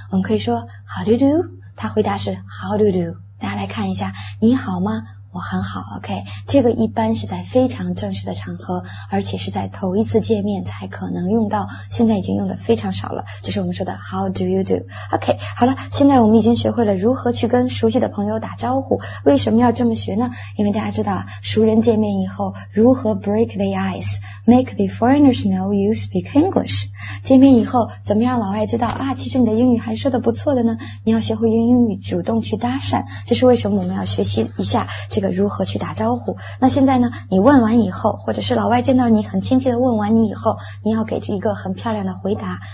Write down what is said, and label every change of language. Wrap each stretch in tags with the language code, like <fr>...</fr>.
<zh>我们可以说</zh> <en>How do you do?</en> <zh>他回答是 How do you do? 大家来看一下，你好吗？我很好 ,OK, 这个一般是在非常正式的场合，而且是在头一次见面才可能用到，现在已经用的非常少了，就是我们说的</zh> <en>How do you do?</en> <zh>OK, 好了，现在我们已经学会了如何去跟熟悉的朋友打招呼。为什么要这么学呢？因为大家知道，熟人见面以后如何</zh> <en>break the ice, make the foreigners know you speak English?</en> <zh>见面以后怎么让老外知道啊，其实你的英语还说的不错的呢？你要学会用英语主动去搭讪，这是为什么我们要学习一下这个如何去打招呼。那现在呢，你问完以后，或者是老外见到你很亲切的问完你以后，你要给一个很漂亮的回答。</zh>